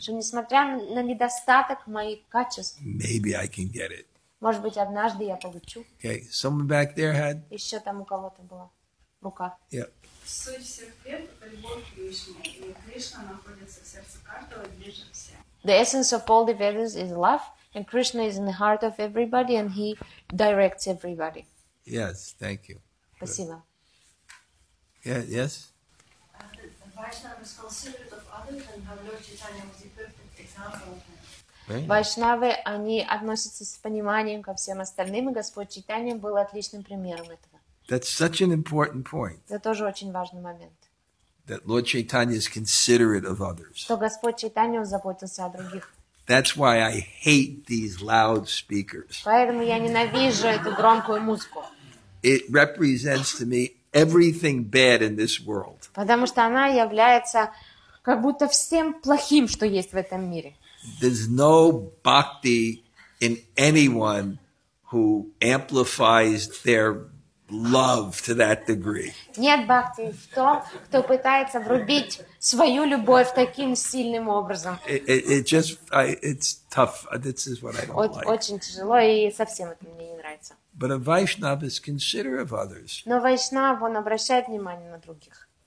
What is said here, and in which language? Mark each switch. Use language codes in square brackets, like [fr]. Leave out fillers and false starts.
[ru] Что несмотря на недостаток моих качеств. [en] Maybe I can get it. [ru] Может быть, однажды я получу. [en] Okay, someone back there had. [ru] Еще там у кого-то была рука. [en] Yeah. [ru] Суть всех бед – это любовь к Кришне, и Кришна находится в сердце каждого ближе всех. [en] The essence of all the Vedas is love, and Krishna is in the heart of everybody, and he directs everybody. Yes, thank you. [ru] Спасибо. [en] Yeah, yes? The Vaishnava is considerate of others, and how Lord Chaitanya was the perfect example of him. [ru] Vaishnava, они относятся с пониманием ко всем остальным, и Господь Чайтанья был отличным примером этого. [en] That's such an important point. [ru] Это тоже очень важный момент. [en] That Lord Chaitanya is considerate of others. [ru] Что Господь Чайтанья заботился о других. [en] That's why I hate these loud speakers. [ru] Поэтому я ненавижу эту громкую музыку. [en] It represents to me everything bad in this world. [ru] Потому что она является как будто всем плохим, что есть в этом мире. [en] There's no bhakti in anyone who amplifies their love to that degree. [ru] Нет бхакти в том, кто пытается врубить свою любовь таким сильным образом. [en] It's tough. This is what I don't like. [ru] Очень тяжело и совсем это мне не нравится. [en] But a Vaishnava is considerate of others. [ru] Но Вайшнав, он обращает внимание на других.